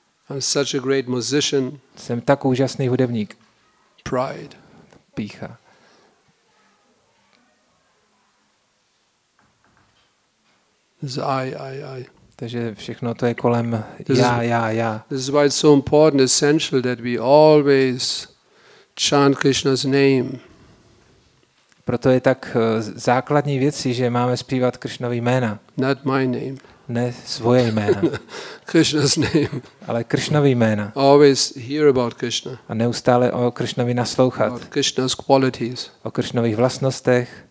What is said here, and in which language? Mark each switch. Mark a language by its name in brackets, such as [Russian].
[English] I'm such a great musician. [Czech] Jsem tak úžasný hudebník. [English] Pride. [Czech] Pýcha. [English] I. [Czech] Takže všechno to je kolem já. [English] This is why it's so important, essential that we always chant Krishna's name. [Czech] Proto je tak základní věcí, že máme zpívat Krishnovy jména. [English] Not my name. [Czech] Ne svoje jména. [English] Krishna's name. [Czech] Ale Krishnovy jména. [English] Always hear about Krishna. [Czech] A neustále o Krishnovi naslouchat. [English] About Krishna's qualities. [Czech] O Krishnových vlastnostech.